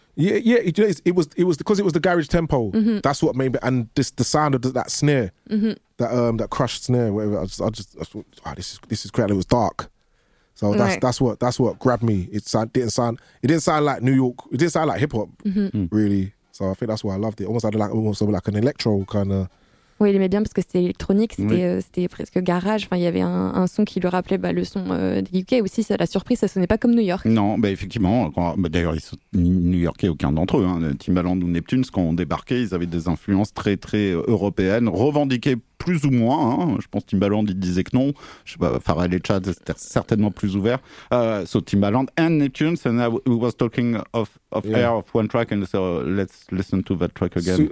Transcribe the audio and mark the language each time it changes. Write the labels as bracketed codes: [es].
[en] Yeah, it was because it was the garage tempo. That's what made me, and this the sound of that snare, that crushed snare, whatever. I just thought, this is crazy. It was dark, so that's right. that's what grabbed me. It didn't sound like New York. It didn't sound like hip hop, really. So I think that's why I loved it. Almost like an electro kind of. [fr] Oui, il aimait bien parce que c'était électronique, c'était presque garage. Enfin, il y avait un son qui lui rappelait le son des UK aussi. Ça, la surprise, ça sonnait pas comme New York. Non, bah effectivement. D'ailleurs, ils sont new-yorkais, aucun d'entre eux. Hein. Timbaland ou Neptune, quand on débarquait, ils avaient des influences très, très européennes, revendiquées plus ou moins. Hein. Je pense Timbaland, il disait que non. Je sais pas, Pharrell et Chad, c'était certainement plus ouvert. [en] So Timbaland and Neptune, and we was talking of air of one track, and so let's listen to that track again.